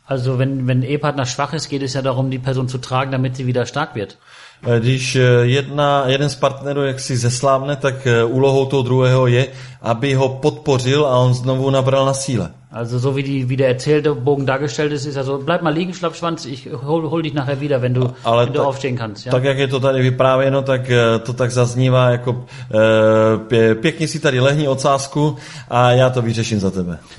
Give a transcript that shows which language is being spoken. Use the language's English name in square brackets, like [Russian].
[German] Also wenn Ehepartner schwach ist, geht es ja darum, die Person zu tragen, damit sie wieder stark wird. [Czech] Když jeden z partnerů jaksi zeslábne, tak úlohou toho druhého je, aby ho podpořil a on znovu nabral na síle. [German] Also so wie der erzählte Bogen dargestellt ist, ist also bleib mal liegen, Schlappschwanz, ich hol dich nachher wieder, wenn du aufstehen kannst. [Czech] Ja? Tak jak je to tady vyprávěno, tak to tak zaznívá jako pěkně si tady lehni ocásku a já to vyřeším za tebe.